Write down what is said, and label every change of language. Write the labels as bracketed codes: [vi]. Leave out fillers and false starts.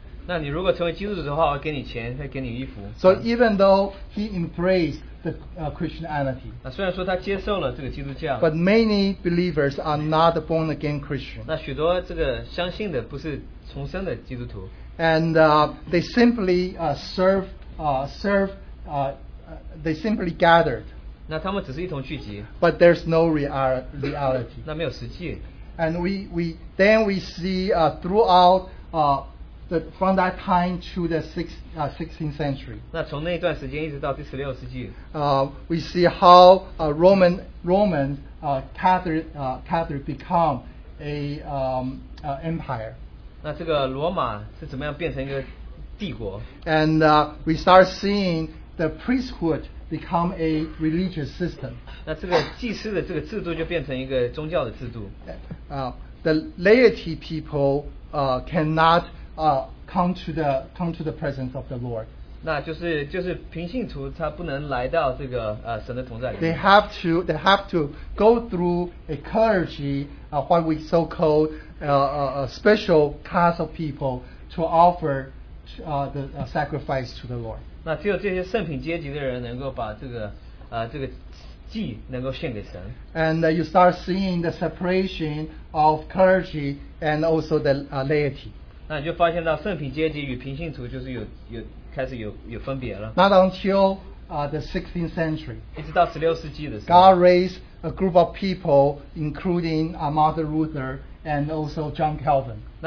[zh] 那你如果成为基督徒的话，我给你钱，再给你衣服。 [en] So even though he embraced the Christianity, [zh] 那虽然说他接受了这个基督教, [en] but many believers are not born again Christian. [zh] 那许多这个相信的不是重生的基督徒。 [en] And they simply they simply gathered. [zh] 那他们只是一同聚集, [en] but there's no reality. [zh] 那没有实际。 [en] And we see throughout from that time to the 16th century. [zh] 那从那一段时间一直到第十六世纪, [en] we see how Catholic become a empire. [zh] 那这个罗马是怎么样变成一个帝国? [en] And we start seeing the priesthood become a religious system. [zh] 那这个祭司的这个制度就变成一个宗教的制度。 [en] The laity people cannot come to the presence of the Lord. [zh] 那就是 平信徒他不能来到这个, 神的同在里面。 [en] They have to go through a clergy, what we so call a special class of people to offer the sacrifice to the Lord. [zh] 那只有这些圣品阶级的人能够把这个, 这个, 祭能够献给神。 [en] And you start seeing the separation of clergy and also the laity. [zh] 那你就发现到圣品阶级与平信徒就是有 [en] Not until the 16th century. God raised a group of people, including Martin Luther and also John Calvin.